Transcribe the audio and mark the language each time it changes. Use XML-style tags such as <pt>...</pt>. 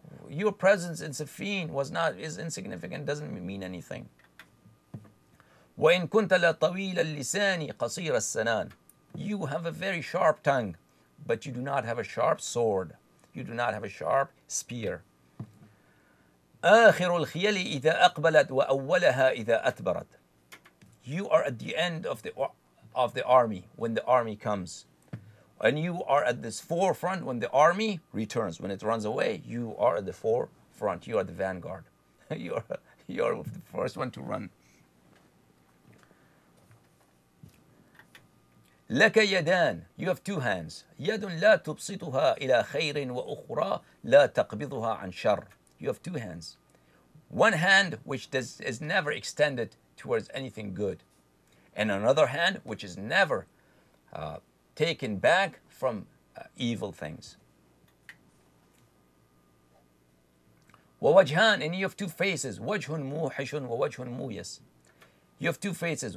<en>Your presence in Siffin is insignificant, doesn't mean anything.</en> <ar>وَإِن كُنْتَ لَطَوِيلَ اللِّسَانِ قَصِيرَ السَّنَانِ.</ar> <en>You have a very sharp tongue, but you do not have a sharp sword. You do not have a sharp spear.</en> <ar>آخر الخيل إذا أقبلت وأولها إذا أتبرت.</ar> <en>You are at the end of the army when the army comes. And you are at this forefront when the army returns. When it runs away, you are at the forefront. You are the vanguard. You are the first one to run.</en> <ar>لك يدان.</ar> <en>You have two hands.</en> <ar>يد لا تبسطها إلى خير وأخرى لا تقبضها عن شر.</ar> <en>You have two hands. One hand which is never extended towards anything good. And another hand which is never taken back from evil things. ووجهان. And you have two faces.</en> <ar>وجه موحش ووجه مويس.</ar> <en>You have two faces.</en>